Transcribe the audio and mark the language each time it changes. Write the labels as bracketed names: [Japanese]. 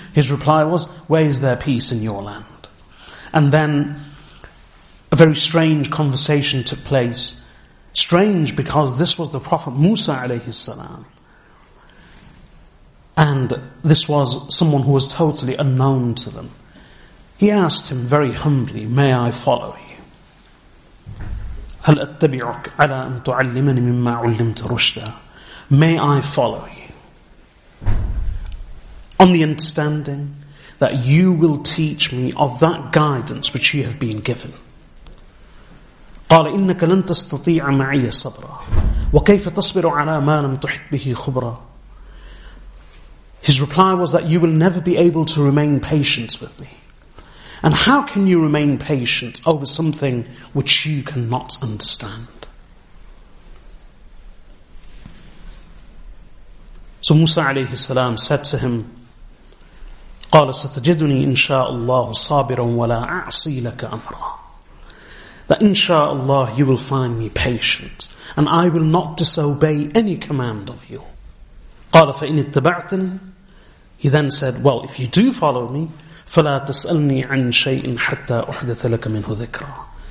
[English] His reply was, where is there peace in your land? And then a very strange conversation took place. Strange because this was the Prophet Musa alayhi salam. And this was someone who was totally unknown to them. He asked him very humbly, may I follow you? [Arabic] هل أتبعك على أن تعلمني مما علمت رشدا. [English] May I follow you on the understanding that you will teach me of that guidance which you have been given. [Arabic] قال إنك لن تستطيع معي صبرا وكيف تصبر على ما لم تحط به خبرا. [English] His reply was that you will never be able to remain patient with me. And how can you remain patient over something which you cannot understand? So Musa alayhi salam said to him, [Arabic] قال ستجدني إن شاء الله صابرا ولا أعصي لك أمرا. [English] That inshallah you will find me patient and I will not disobey any command of you. [Arabic] قال فإن اتبعتني. [English] He then said, well, if you do follow me, [Arabic] فَلَا تَسْأَلْنِي عَنْ شَيْءٍ حَتَّى أُحْدَثَ لَكَ مِنْهُ ذِكْرًا.